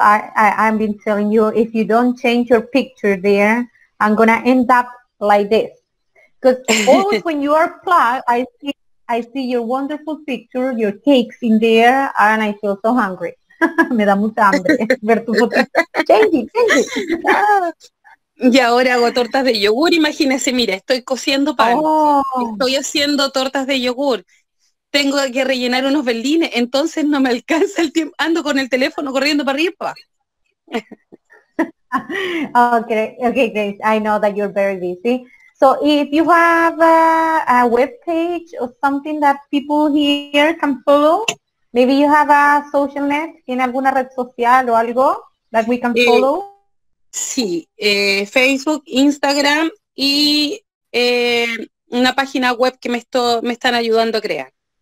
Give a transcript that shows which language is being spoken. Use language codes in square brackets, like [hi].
[en] I've been telling you, if you don't change your picture there, I'm going to end up like this. Because always when you are plugged, I see your wonderful picture, your cakes in there, and I feel so hungry. [es] Me da mucha hambre ver tu foto. [en] Change it. [es] Y ahora hago tortas de yogur, imagínese, mira, estoy cociendo pan. Estoy haciendo tortas de yogur. Tengo que rellenar unos berlines, entonces no me alcanza el tiempo. Ando con el teléfono corriendo para arriba. [en] Okay, Grace, I know that you're very busy. So if you have a web page or something that people here can follow, maybe you have a social net, [es] ¿tiene alguna red social o algo [en] that we can follow? [es] Sí, Facebook, Instagram y una página web que me están ayudando a crear.